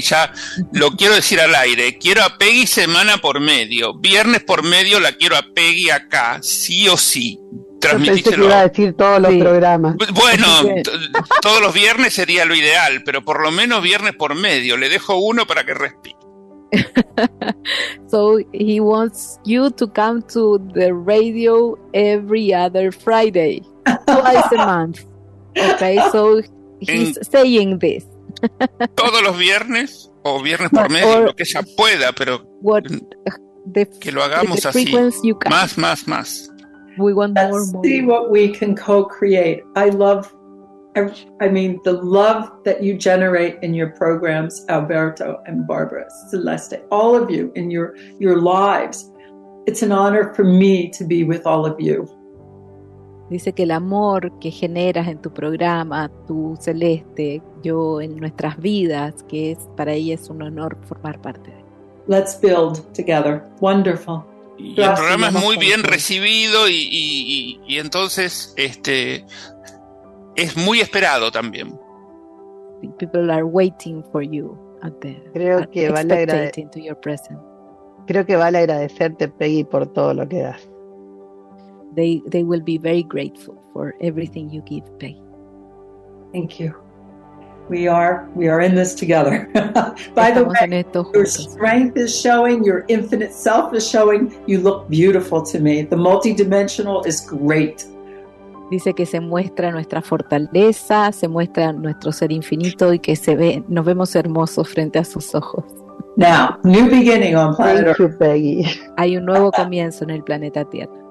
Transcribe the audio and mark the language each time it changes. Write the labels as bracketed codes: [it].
[es] Ya lo quiero decir al aire. Quiero a Peggy semana por medio. Viernes por medio la quiero a Peggy acá, sí o sí. Transmitíselo. Pensé que iba a decir todos los programas. Bueno, todos los viernes sería lo ideal, pero por lo menos viernes por medio. Le dejo uno para que respire. [en] So he wants you to come to the radio every other Friday. Twice a month. Okay, so he's saying this. [es] Todos los viernes o viernes por medio, lo que ella pueda, pero que lo hagamos así. Más, más, más. [en] We want more. See what we can co-create. I mean, the love that you generate in your programs, Alberto and Barbara, Celeste, all of you in your lives. It's an honor for me to be with all of you. [es] Dice que el amor que generas en tu programa, tu Celeste, yo en nuestras vidas, que es para ella es un honor formar parte de. [en] Let's build together. Wonderful. [es] Y el programa es muy bien recibido y entonces es muy esperado también. [en] People are waiting for you at the. [es] Creo que vale agradecerte, Peggy, por todo lo que das. [en] They will be very grateful for everything you give, Peggy. Thank you. We are in this together. By [es] Estamos [en] the way, your strength is showing, your infinite self is showing. You look beautiful to me. The multidimensional is great. [es] Dice que se muestra nuestra fortaleza, se muestra nuestro ser infinito y que nos vemos hermosos frente a sus ojos. [en] Now, new beginning on planet Earth. Thank you, Peggy. [es] Hay un nuevo comienzo en el planeta Tierra.